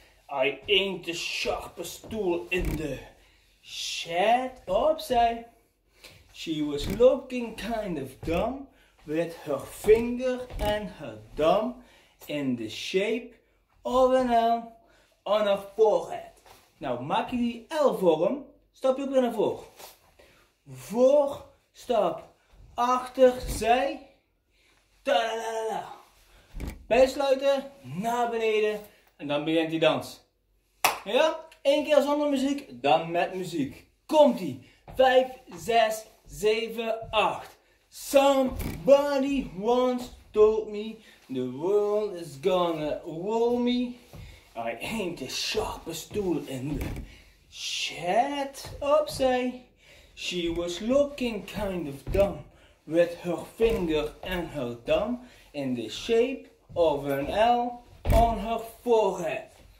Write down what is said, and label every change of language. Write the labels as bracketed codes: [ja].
[en] I ain't the sharpest tool in the shed. [nl] Opzij. [en] She was looking kind of dumb with her finger and her thumb in the shape of an L on her forehead. [nl] Nou, maak je die L-vorm. Stap je ook weer naar voren. Voor, stap, achter, zij. Ta-da-da-da-da. Bijsluiten, naar beneden en dan begint die dans. Ja? Eén keer zonder muziek, dan met muziek. Komt-ie. 5, 6, 7, 8. [en] Somebody once told me the world is gonna roll me. I ain't the sharpest tool in the shed. [nl] Opzij. [en] She was looking kind of dumb with her finger and her thumb in the shape of an L on her forehead.